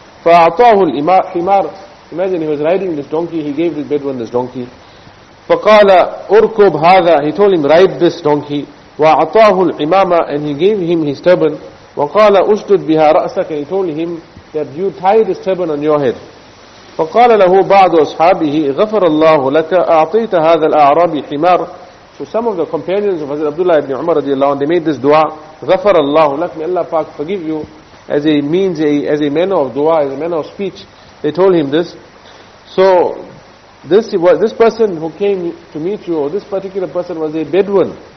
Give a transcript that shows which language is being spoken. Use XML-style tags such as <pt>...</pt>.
<ar>فَأَعْطَاهُ الْحِمَارِ.</ar> <en>Imagine he was riding this donkey, he gave this Bedouin this donkey.</en> <ar>فَقَالَ أُرْكُبْ هَذَا.</ar> <en>He told him, ride this donkey.</en> <ar>وَأَعْطَاهُ الْعِمَامَ.</ar> <en>And he gave him his turban.</en> <ar>وَقَالَ أُسْدُدْ بِهَا رَأْسَكَ.</ar> <en>He told him, that you tie this turban on your head.</en> <ar>فقال له بعض أصحابه غفر الله لك أعطيت هذا الأعرابي حمار.</ar> <en>So some of the companions of Hazrat Abdullah ibn Umar radiallahu anhu, they made this dua,</en> <ar>غفر الله لك,</ar> <en>may Allah Pak forgive you, as a means, as a manner of dua, as a manner of speech. They told him this. So this person who came to meet you, or this particular person, was a Bedouin.</en>